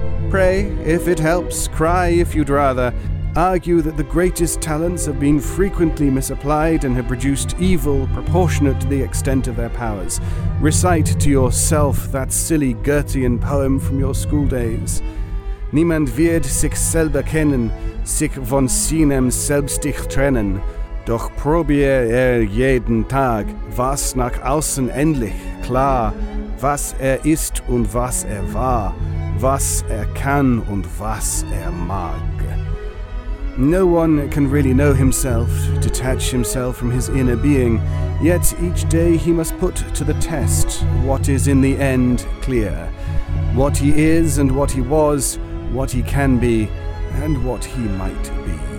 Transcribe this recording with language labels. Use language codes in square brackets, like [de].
[en] Pray, if it helps, cry if you'd rather. Argue that the greatest talents have been frequently misapplied and have produced evil proportionate to the extent of their powers. Recite to yourself that silly Goethean poem from your school days. [de] Niemand wird sich selber kennen, sich von seinem selbst dich trennen. Doch probier jeden Tag, was nach außen endlich klar, was ist und was war, was kann und was mag. [en] No one can really know himself, detach himself from his inner being, yet each day he must put to the test what is in the end clear, what he is and what he was, what he can be, and what he might be.